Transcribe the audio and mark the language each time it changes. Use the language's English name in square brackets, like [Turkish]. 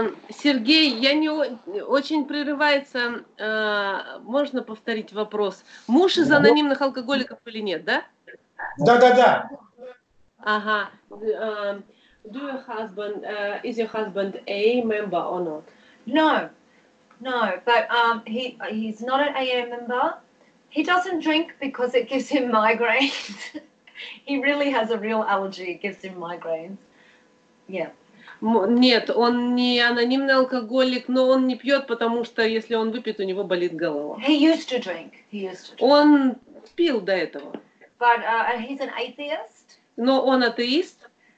[Russian] Сергей, я не очень прерывается. Можно повторить вопрос? Муж из анонимных алкоголиков или нет, да? Да, да, да. Ага. [English] Do your husband, is your husband a member or not? No, no, but he's not an AA member. He doesn't drink because it gives him migraines. He really has a real allergy. It gives him migraines. Yeah. [Russian] Нет, он не анонимный алкоголик, но он не пьет, потому что если он выпьет, у него болит голова. [English] He used to drink. He used to drink. [Russian] Он пил до этого. [English] But he's an atheist. [Russian] Но он атеист.